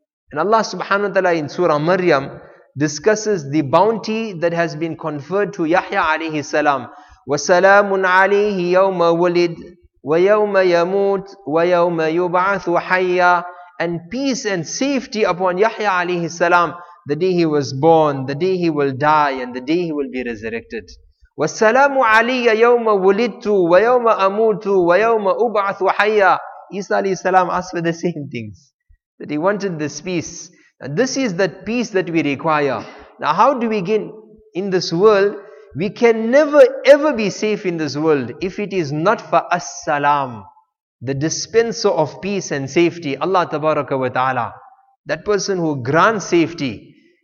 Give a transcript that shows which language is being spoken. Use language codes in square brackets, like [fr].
[en] And Allah subhanahu wa ta'ala in Surah Maryam discusses the bounty that has been conferred to Yahya alayhi salam. [ar] وَسَلَامٌ عَلَيْهِ يَوْمَ وُلِدْ وَيَوْمَ يَمُوتْ وَيَوْمَ يُبْعَثُ حَيَّا. [en] And peace and safety upon Yahya alayhi salam, the day he was born, the day he will die, and the day he will be resurrected. [ar] وَالسَّلَامُ عَلِيَّ يَوْمَ وُلِدْتُ وَيَوْمَ أَمُوتُ وَيَوْمَ أُبْعَثُ حَيَّا. [en] Isa alayhi salam asked for the same things. that he wanted this peace. And this is that peace that we require. Now, how do we gain in this world? We can never ever be safe in this world if it is not for As-Salam, the dispenser of peace and safety, Allah Tabaraka wa Ta'ala, that person who grants safety.